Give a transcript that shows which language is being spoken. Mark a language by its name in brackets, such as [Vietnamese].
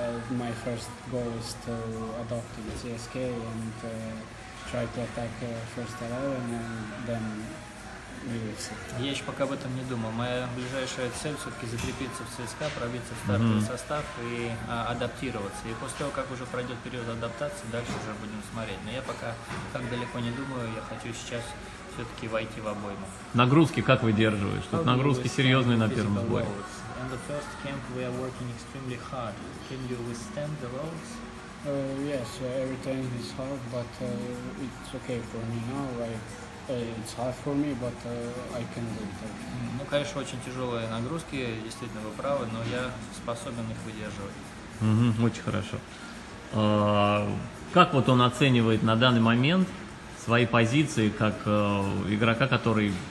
[English] My first goal is to adopt the CSKA and try to attack first 11 and then we will see. [Russian] Я еще пока об этом не думал. Моя ближайшая цель все-таки закрепиться в ЦСКА, пробиться в стартовый mm-hmm. состав и адаптироваться. И после того, как уже пройдет период адаптации, дальше уже будем смотреть. Но я пока так далеко не думаю, я хочу сейчас все-таки войти в обойму. Нагрузки как выдерживаешь? Тут нагрузки серьезные на первом сборе. [English] In the first camp we are working extremely hard. Can you withstand the loads? Yes, every time is hard, but it's okay for me now. It's hard for me, but I can do it. [Russian] Ну, конечно, очень тяжелые нагрузки, действительно, вы правы, но я способен их выдерживать. Mm-hmm, очень хорошо. Как вот он оценивает на данный момент свои позиции как игрока, который